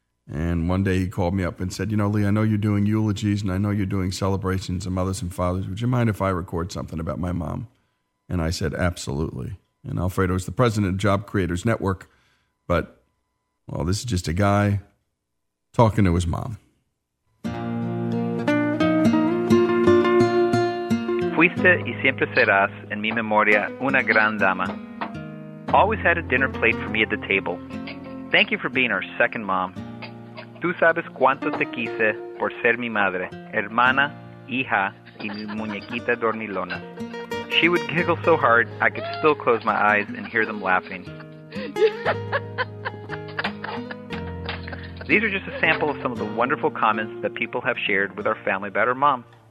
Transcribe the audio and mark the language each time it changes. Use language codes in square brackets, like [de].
[en] And one day he called me up and said, "You know, Lee, I know you're doing eulogies and I know you're doing celebrations of mothers and fathers. Would you mind if I record something about my mom?" And I said, "Absolutely." And Alfredo is the president of Job Creators Network, but, well, this is just a guy talking to his mom. [es] Fuiste y siempre serás, en mi memoria, una gran dama. [en] Always had a dinner plate for me at the table. Thank you for being our second mom. [es] Tú sabes cuánto te quise por ser mi madre, hermana, hija, y mi muñequita dormilona. [en] She would giggle so hard, I could still close my eyes and hear them laughing. These are just a sample of some of the wonderful comments that people have shared with our family about her mom.